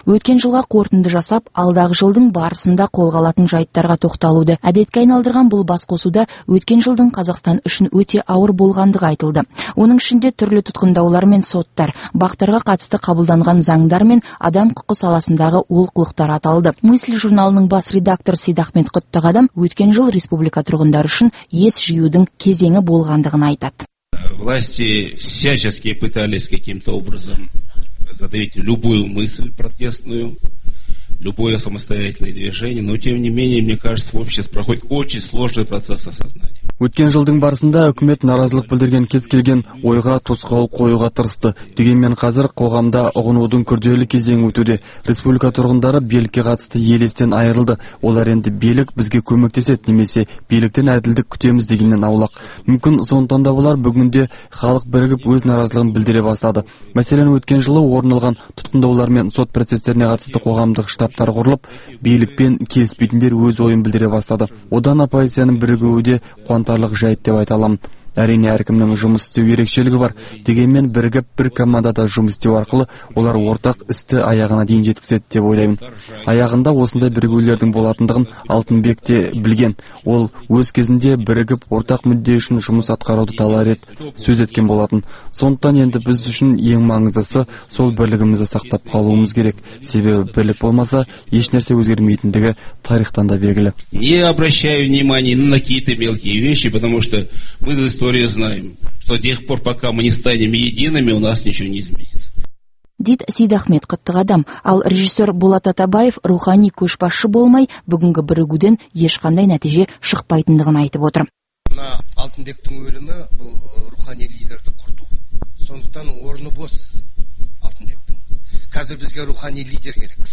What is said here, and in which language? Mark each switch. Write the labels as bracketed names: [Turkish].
[Kazakh] Өткен жылға қорытынды жасап, алдағы жылдың барысында қолға алатын жайттарға тоқталуды әдетке айналдырған бұл басқосуда өткен жылдың Қазақстан үшін өте ауыр болғандығы айтылды. Оның ішінде түрлі тұтқындаулар мен соттар, бақтарға қатысты қабылданған заңдар мен адам құқы саласындағы олқылықтар аталды. Мысль журналының бас редакторы Сейдахмет Құттығадам өткен жыл республика тұрғындары үшін есть жиюдың кезеңі болғандығын айтады. [Russian] Власти всячески пытались каким-то образом задавить любую мысль протестную, любое самостоятельное движение, но тем не менее, мне кажется, общество проходит очень сложный процесс осознания. [Kazakh] Өткен жылдың барысында үкімет наразылық білдірген кез келген ойға тосқауыл қоюға тырысты. Дегенмен қазір қоғамда ұғынудың күрделі кезеңі өтуде. Республика тұрғындары билікке қатысты елестен айырылды. Олар енді билік бізге көмектесет немесе биліктен әділдік күтеміз дегеннен аулақ. Мүмкін сондықтан да олар бүгінде халық бірігіп өз наразылығын білдіре бастады. Мәселен, өткен жылы орын алған тұтқындаулар мен сот процестеріне қатысты қоғамдық штабтар құрылып, билікпен келіспейтіндер өз ойын білдіре бастады. Одан оппозицияның бірігуі де қуантарлық жайт деп айта аламын. Әрине, әркімнің жұмыс істеу ерекшелігі бар. Дегенмен, бірігіп бір командада жұмыс істеу арқылы олар ортақ істі аяғына дейін жеткізеді деп ойлаймын. Аяғында осындай бірігулердің болатындығын Алтынбек те білген. Ол өз кезінде бірігіп ортақ мүдде үшін жұмыс атқаруды талап етіп сөз еткен болатын. Сондықтан енді біз үшін ең маңыздысы сол бірлігімізді сақтап қалуымыз керек. Себебі бірлік болмаса, еш нәрсе өзгермейтіндігі тарихтан да белгілі. [Russian] Не обращаю внимания на какие-то мелкие вещи, потому что мы за историю знаем, что до тех пор, пока мы не станем едиными, у нас ничего не изменится. [Kazakh] Дид Сейдахмет Құттығадам, ал режиссер Болат Атабаев рухани көшбасшы болмай, бүгінгі бірігуден ешқандай нәтиже шықпайтындығын айтып отыр. Мына Алтынбектің өлімі бұл рухани лидерді құрту. Сондықтан орны бос Алтынбектің. Қазір бізге рухани лидер керек.